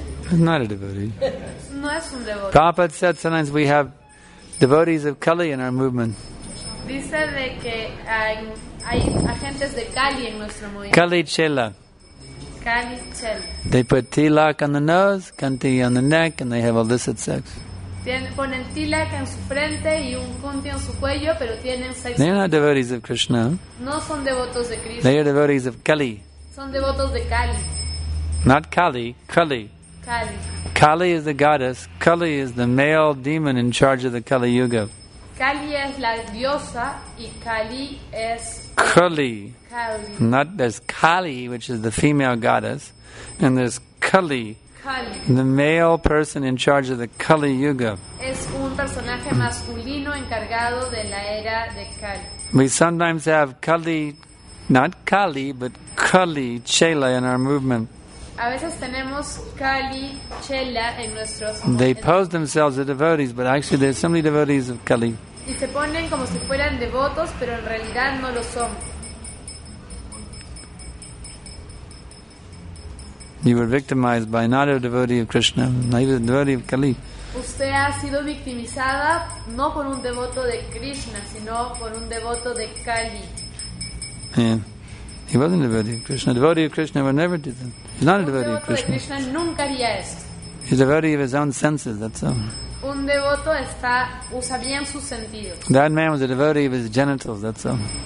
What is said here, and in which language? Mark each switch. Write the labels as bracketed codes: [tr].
[en] He's not a devotee. [es] No es un devoto. [en] Prabhupada said sometimes we have devotees of Kali in our movement. [es] Dice de que hay agentes de Kali en nuestro movimiento. [en] Kali Chela. Kali Chela. They put tilak on the nose, kanti on the neck, and they have illicit sex. [es] Ponen tilak en su frente y un kanti en su cuello, pero tienen sexo. [en] They're not devotees of Krishna. [es] No son devotos de Krishna. [en] They are devotees of Kali. [es] Son devotos de Kali. [en] Not Kali, Kali. Kali. Kali is the goddess. Kali is the male demon in charge of the Kali Yuga. [es] Kali es la diosa y Kali es Kali. Kali. [en] Not there's Kali, which is the female goddess, and there's Kali. Kali. The male person in charge of the Kali Yuga. [es] Es un personaje masculino encargado de la era de Kali. [en] We sometimes have Kali, not Kali, but Kali Chela in our movement. [es] A veces tenemos Kali Chela en nuestros. [en] They pose themselves as devotees, but actually they're simply devotees of Kali. [es] Y se ponen como si fueran devotos, pero en realidad no lo son. [en] You were victimized by not a devotee of Krishna, not even a devotee of Kali. [es] Usted ha sido victimizada no por un devoto de Krishna, sino por un devoto de Kali. [en] Yeah. He wasn't a devotee of Krishna. A devotee of Krishna would never do that. He's not a devotee of Krishna. [es] Krishna nunca haría esto. [en] He's a devotee of his own senses, that's all. [es] Un devoto está, usa bien sus sentidos. [en] That man was a devotee of his genitals, that's all.